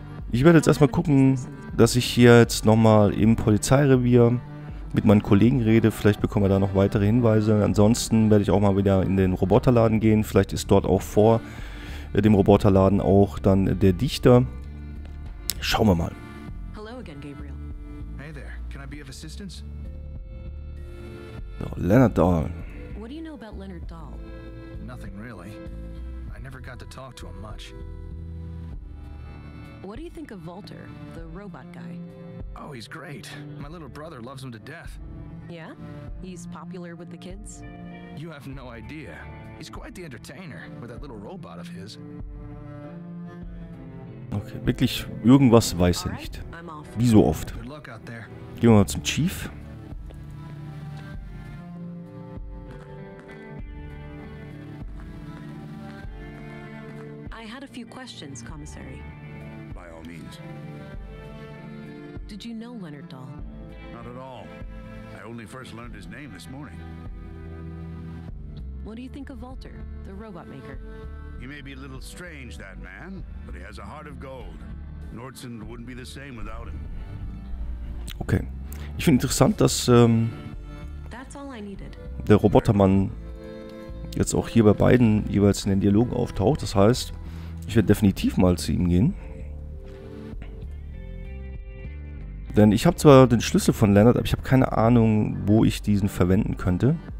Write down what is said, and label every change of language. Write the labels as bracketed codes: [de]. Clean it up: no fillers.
[de] Ich werde jetzt erstmal gucken, dass ich hier jetzt nochmal im Polizeirevier mit meinen Kollegen rede. Vielleicht bekommen wir da noch weitere Hinweise. Ansonsten werde ich auch mal wieder in den Roboterladen gehen. Vielleicht ist dort auch vor dem Roboterladen auch dann der Dichter. Schauen wir mal. Hallo again, Gabriel. [en] Hey there, can I be of assistance? So, Leonard Dahl. What do you know about Leonard Dahl? Nothing really. I never got to talk to him much. What do you think of Walter, the robot guy? Oh, he's great. My little brother loves him to death. Yeah? He's popular with the kids? You have no idea. He's quite the entertainer with that little robot of his. [de] Okay, wirklich irgendwas weiß er nicht. Wie so oft. Gehen wir mal zum Chief. [en] I had a few questions, Commissary. By all means. Did you know Leonard Dahl? Not at all. I only first learned his name this morning. What do you think of Walter, the robot maker? He may be a little strange, that man, but he has a heart of gold. Nordson wouldn't be the same without him. Okay. [de] Ich finde interessant, dass [en] That's all I needed. [de] Der Robotermann jetzt auch hier bei beiden jeweils in den Dialogen auftaucht. Das heißt, ich werde definitiv mal zu ihm gehen. Denn ich habe zwar den Schlüssel von Leonard, aber ich habe keine Ahnung, wo ich diesen verwenden könnte.